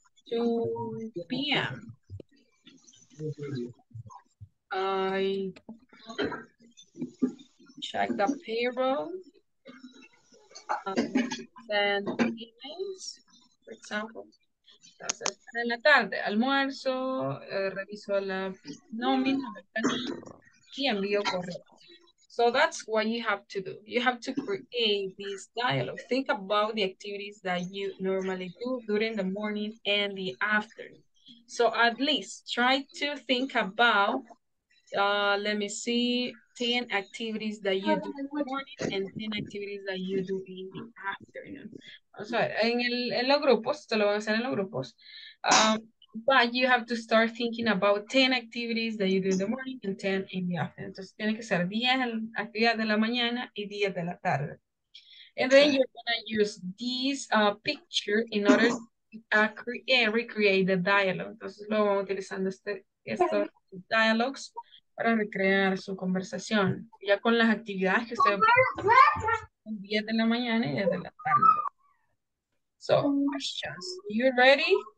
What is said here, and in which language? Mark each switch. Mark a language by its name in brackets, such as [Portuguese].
[English] 2 p.m. I check the payroll and send emails, for example. [Spanish] Entonces, en la tarde, almuerzo, reviso la nómina y envío correo. [English] So that's what you have to do. You have to create this dialogue. Think about the activities that you normally do during the morning and the afternoon. So at least try to think about, let me see, 10 activities that you do in the morning and 10 activities that you do in the afternoon. [Spanish] Vamos a ver, en los grupos, esto lo van a hacer en los grupos. [English] But you have to start thinking about 10 activities that you do in the morning and 10 in the afternoon. [Spanish] Entonces, tiene que ser 10 actividades de la mañana y 10 de la tarde. [English] And then you're going to use this picture in order to recreate the dialogue. [Spanish] Entonces, luego vamos utilizando estos dialogues para recrear su conversación. Ya con las actividades que ustedes van a hacer 10 de la mañana y 10 de la tarde. [English] So, questions. Are you ready?